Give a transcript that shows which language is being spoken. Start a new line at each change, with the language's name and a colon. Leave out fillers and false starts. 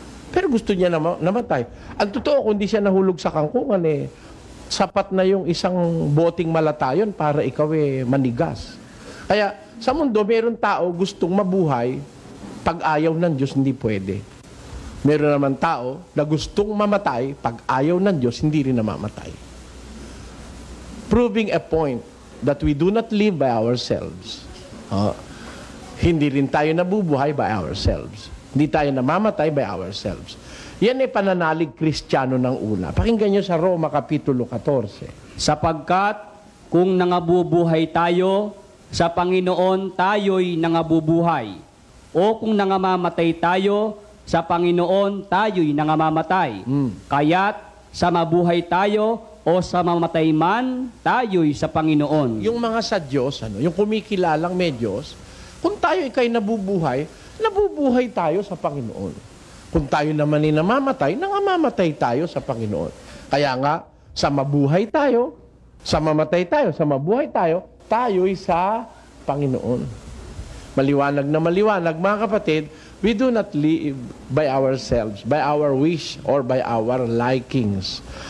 Filipino: Pero gusto niya namatay. Ang totoo, kung hindi siya nahulog sa angkungan, eh, sapat na yung isang boteng malatayon para ikaw eh manigas. Kaya sa mundo, mayroon tao gustong mabuhay, pag ayaw ng Diyos, hindi pwede. Mayroon naman tao na gustong mamatay, pag ayaw ng Diyos, hindi rin namamatay.
English: Proving a point that we do not live by ourselves.
Filipino: Hindi rin tayo nabubuhay
English: by ourselves.
Filipino: Hindi tayo namamatay by ourselves. Yan ay pananalig Kristiyano ng una. Pakinggan nyo sa Roma Kapitulo 14. Sapagkat kung nangabubuhay tayo, sa Panginoon tayo'y nangabubuhay. O kung nangamamatay tayo, sa Panginoon tayo'y nangamamatay. Kaya't sa mabuhay tayo o sa mamatay man, tayo'y sa Panginoon. Yung mga sa Diyos, ano, yung kumikilalang may Diyos, kung tayo'y kay nabubuhay, nabubuhay tayo sa Panginoon. Kung tayo naman ay namamatay, nangamamatay tayo sa Panginoon. Kaya nga, sa mabuhay tayo, sa mamatay tayo, sa mabuhay tayo, tayo'y sa Panginoon. Maliwanag na maliwanag, mga kapatid,
English: we do not live by ourselves, by our wish, or by our likings.